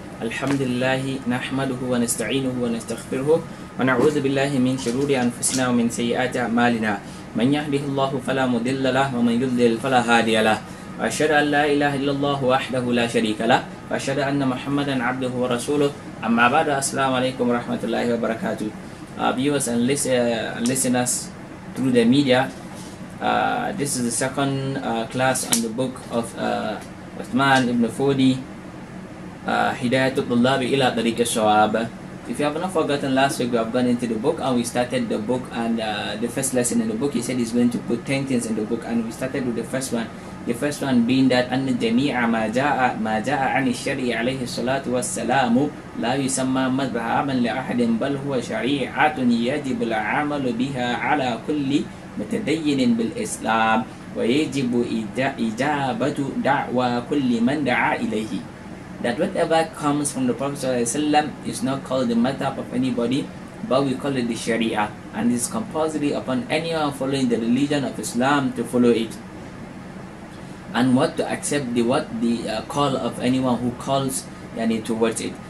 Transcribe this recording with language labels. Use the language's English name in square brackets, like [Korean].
[Arabic] الحمد لله نحمده ونستعينه ونستغفره ونعوذ بالله من شرور أنفسنا ومن سيئات أعمالنا. من يهده الله فلا مضل له ومن يضلل فلا هادي له. أشهد أن لا إله إلا الله وحده لا شريك له وأشهد أن محمدا عبده ورسوله. أما بعد، السلام عليكم ورحمة الله وبركاته. [English] Viewers and listeners through the media, this is the second class on the book of Uthman ibn Fodi, Hidayatul Tullabi ila Tariqa Shawab. If you have not forgotten, last week we have gone into the book and we started the book, and the first lesson in the book, he said he's going to put 10 things in the book, and we started with the first one. The first one being that [Arabic] أن جميع ما جاء عن الشرع عليه الصلاة والسلام لا يسمى مذهبا لأحد بل هو شريعة يجب العمل بها على كل متدين بالإسلام ويجب إجابة دعوة كل من دعا إليه. [English] That whatever comes from the Prophet is not called the madhab of anybody, but we call it the Sharia, and it's compulsory upon anyone following the religion of Islam to follow it. And what to accept the call of anyone who calls yani towards it.